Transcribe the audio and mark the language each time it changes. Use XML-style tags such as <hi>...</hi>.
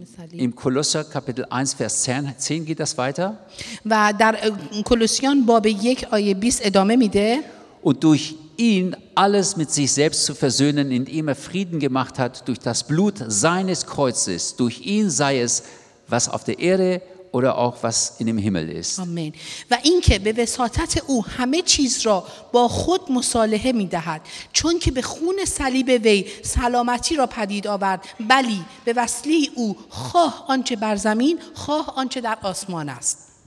<de>Im Kolosser Kapitel 1 Vers 10 geht das weiter.</de> <fa>و در کلوسیان باب 1 آیه 20 ادامه میده.</fa> <de>Und durch ihn alles mit sich selbst zu versöhnen, indem er Frieden gemacht hat durch das Blut seines Kreuzes. Durch ihn sei es, was auf der Erde oder auch was in dem Himmel ist. Amen.</de> <fa>و اینکه به وساطت او همه چیز را با خود مصالحه میدهد چون که به خون صلیب وی سلامتی را پدید آورد بلی به وسیله او خواه آنچه بر زمین خواه آنچه در آسمان است.</fa>